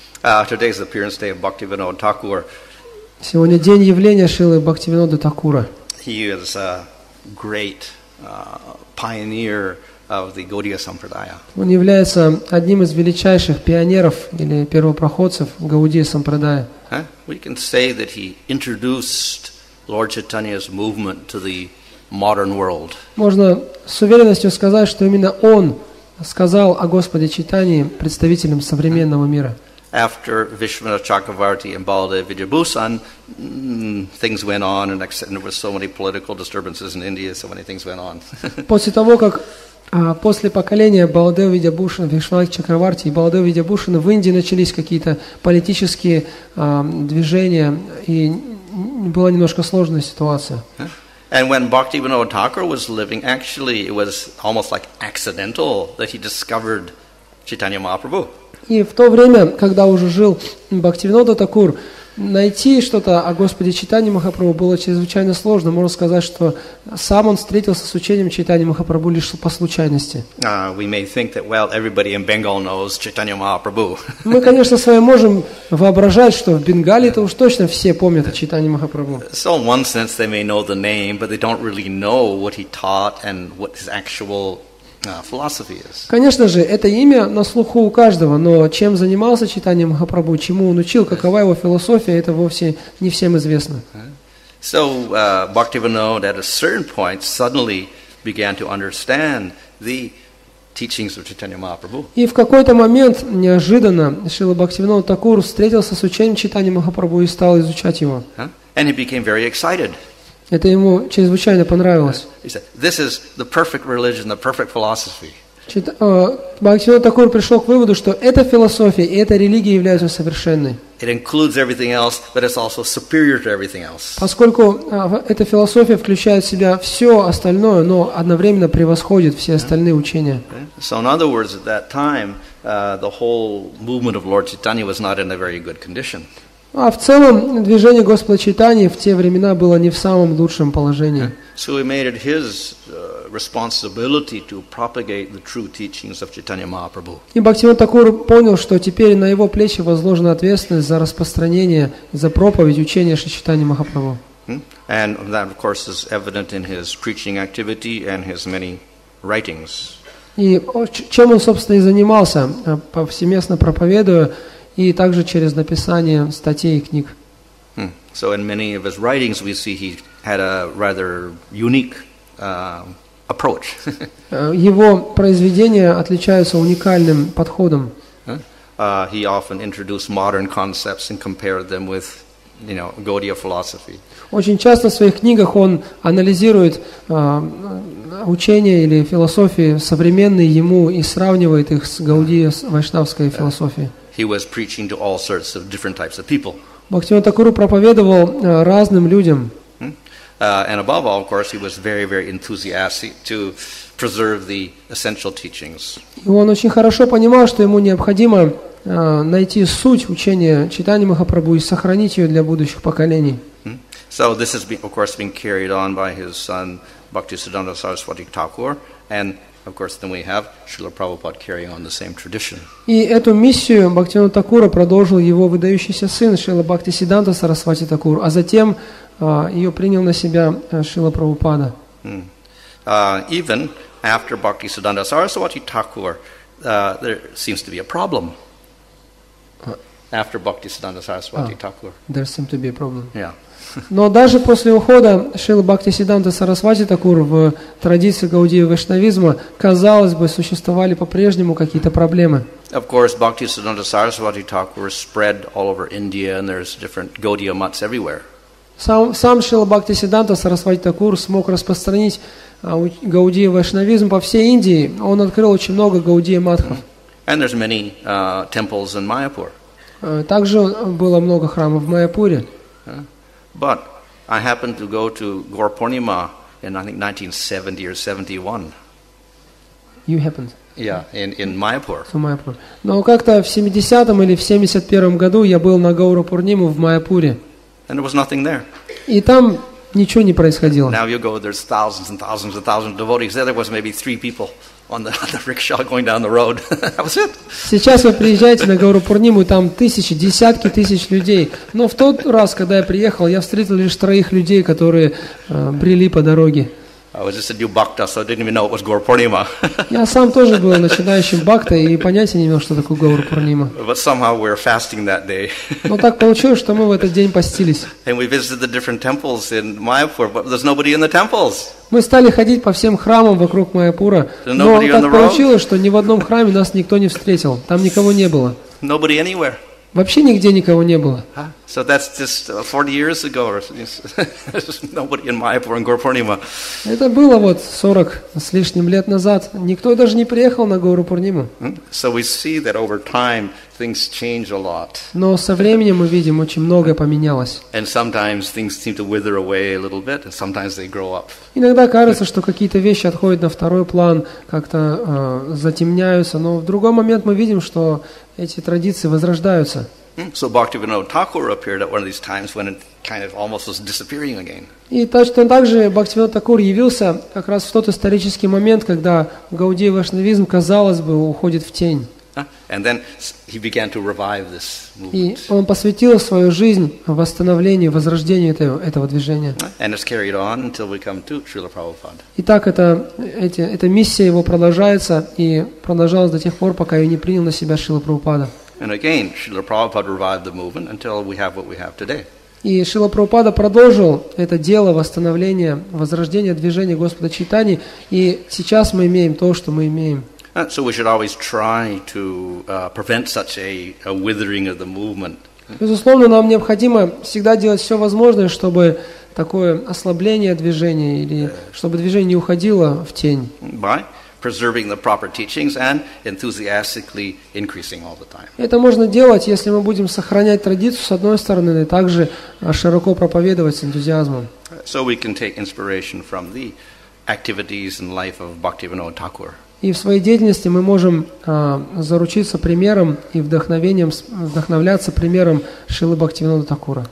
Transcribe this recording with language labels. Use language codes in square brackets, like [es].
[en] Today is the appearance day of Bhaktivinoda Thakur. [ru] Сегодня день явления Шрилы Бхактивинода Такура. [en] He is a great pioneer of the Gaudiya Sampradaya. [ru] Он является одним из величайших пионеров или первопроходцев Гаудия Сампрадая. [en] We can say that he introduced Lord Chaitanya's movement to the modern world. [ru] Можно с уверенностью сказать, что именно он сказал о Господе Чайтанье представителям современного мира. [en] After Vishwanatha Chakravarti and Baladev Vidyabhusan, things went on, and there were so many political disturbances in India. So many things went on. [ru] После того, как после поколения Баладева Видьябхушана, Вишванатха Чакраварти и Баладева Видьябхушана в Индии начались какие-то политические движения, и была немножко сложная ситуация. [en] And when Bhaktivinoda Thakur was living, actually, it was almost like accidental that he discovered Chaitanya Mahaprabhu. [ru] И в то время, когда уже жил Бхактивинода Такур, найти что-то о Господе Чайтанье Махапрабху было чрезвычайно сложно. Можно сказать, что сам он встретился с учением Чайтанье Махапрабху лишь по случайности. [en] We may think that, well, everybody in Bengal knows Chaitanya Mahaprabhu. [ru] Мы, конечно, с вами можем воображать, что в Бенгалии-то уж точно все помнят о Чайтанье Махапрабху. [en] So in one sense they may know the name, but they don't really know what he taught and what his actual philosophy is. [ru] Конечно же, это имя на слуху у каждого, но чем занимался Чайтанья Махапрабху, чему он учил, какова его философия, это вовсе не всем известно. [en] So Bhaktivinoda at a certain point suddenly began to understand the teachings of Chaitanya Mahaprabhu. [ru] И в какой-то момент неожиданно Шрила Бхактивинода Такур встретился с учением Чайтанья Махапрабху и стал изучать его. [en] And he became very excited. [ru] Это ему чрезвычайно понравилось. [en] He said, "This is the perfect religion, the perfect philosophy." [ru] Бхактивинода Такур пришел к выводу, что эта философия и эта религия являются совершенной. [en] It includes everything else, but it's also superior to everything else. [ru] Поскольку эта философия включает в себя все остальное, но одновременно превосходит все остальные учения. [en] So in other words, at that time, the whole movement of Lord Chaitanya was not in a very good condition. [ru] А в целом движение Господа Чайтаньи в те времена было не в самом лучшем положении. [en] So he made it his responsibility to propagate the true teachings of Chaitanya Mahaprabhu. [ru] И Бхактивинода Такур понял, что теперь на его плечи возложена ответственность за распространение, за проповедь учения Шри Чайтаньи Махапрабху. [en] And that, of course, is evident in his preaching activity and his many writings. [ru] И чем он, собственно, и занимался, повсеместно проповедуя, и также через написание статей и книг. [en] So in many of his writings we see he had a rather unique approach. [ru] Его произведения отличаются уникальным подходом. [en] He often introduced modern concepts and compared them with, you know, Gaudiya philosophy. [ru] Очень часто в своих книгах он анализирует учения или философии современные ему и сравнивает их с Гаудия вайшнавской философией. [en] He was preaching to all sorts of different types of people. [ru] Бхактивинода Такур проповедовал разным людям. [en] And above all, of course, he was very, very enthusiastic to preserve the essential teachings. [ru] И он очень хорошо понимал, что ему необходимо найти суть учения Чайтаньи Махапрабху и сохранить ее для будущих поколений. [en] So this has been, of course, been carried on by his son Bhaktisiddhanta Saraswati Thakur, and of course, then we have Srila Prabhupada carrying on the same tradition. [ru] И эту миссию Бхактивинода Такура продолжил его выдающийся сын Шрила Бхактисиддханта Сарасвати Такур, а затем ее принял на себя Шрила Прабхупада. [en] Even after Bhaktisiddhanta Saraswati Thakur, there seems to be a problem. After Bhaktisiddhanta Saraswati Thakur. There seems to be a problem. Yeah. [ru] Но даже после ухода Шрилы Бхактисиддханта Сарасвати Такур в традиции Гаудии Вайшнавизма, казалось бы, существовали по-прежнему какие-то проблемы. [en] Of course, Bhaktisiddhanta Saraswati Thakur spread all over India, and there's different Gaudiya Mats everywhere. [ru] Сам Шрила Бхактисиддханта Сарасвати Такур смог распространить Гаудии Вайшнавизм по всей Индии. Он открыл очень много Гаудия Матхов. [en] And there's many temples in Mayapur. [ru] Также было много храмов в Майяпуре. [en] But I happened to go to Gaur Purnima in, I think, 1970 or 71. You happened? Yeah, in Mayapur. So Mayapur. [ru] Но как-то в 70-м или в 71-м году я был на Гауру Пурниму в Майяпуре. [en] And there was nothing there. [ru] И там ничего не происходило. [en] Now you go, there's thousands and thousands and thousands of devotees. There was maybe three people on the rickshaw going down the road. That was it. [ru] Сейчас вы приезжаете на Гауру Пурниму, там тысячи, десятки тысяч людей. Но в тот раз, когда я приехал, я встретил лишь троих людей, которые брели по дороге. [en] I was just a new bhakta, so I didn't even know it was Gaur Purnima. [ru] Я сам тоже был начинающим бхактой и понятия не имел, что такое Гаур Пурнима. [en] But somehow we were fasting that day. [ru] Но так получилось, что мы в этот день постились. [en] And we visited the different temples in Mayapur, but there's nobody in the temples. [ru] Мы стали ходить по всем храмам вокруг Майяпура, но так получилось, что ни в одном храме нас никто не встретил. Там никого не было. [en] Nobody anywhere. [ru] Вообще нигде никого не было. [en] So that's just 40 years ago. There's nobody in Mayapur and Gaur Purnima. [ru] Это было вот 40 с лишним лет назад. Никто даже не приехал на Гауру Пурниму. [en] So we see that over time things change a lot. [ru] Но со временем мы видим, очень многое поменялось. [en] And sometimes things seem to wither away a little bit, and sometimes they grow up. [ru] Иногда кажется, что какие-то вещи отходят на второй план, как-то затемняются, но в другой момент мы видим, что эти традиции возрождаются. [en] So Bhaktivinoda Thakur appeared at one of these times when it kind of almost was disappearing again. [ru] И точно так же Бхактивинода Такур явился как раз в тот исторический момент, когда Гаудия Вайшнавизм, казалось бы, уходит в тень. [en] And then he began to revive this movement. [ru] И он посвятил свою жизнь восстановлению, возрождению этого движения. [en] And it's carried on until we come to Srila Prabhupada. [ru] И так эта миссия его продолжается и продолжалась до тех пор, пока я не принял на себя Шрила Прабхупада. [en] And again, Srila Prabhupada revived the movement until we have what we have today. [ru] И Шрила Прабхупада продолжил это дело восстановления, возрождения движения Господа Чайтани, и сейчас мы имеем то, что мы имеем. [en] So we should always try to prevent such a withering of the movement. [ru] Безусловно, нам необходимо всегда делать все возможное, чтобы такое ослабление движения или чтобы движение не уходило в тень. [en] By preserving the proper teachings and enthusiastically increasing all the time. [ru] Это можно делать, если мы будем сохранять традицию с одной стороны, и также широко проповедовать с энтузиазмом. [en] So we can take inspiration from the activities and life of Bhaktivinoda Thakur. [ru] И в своей деятельности мы можем заручиться примером и вдохновляться примером Шрилы Бхактивинода Такура.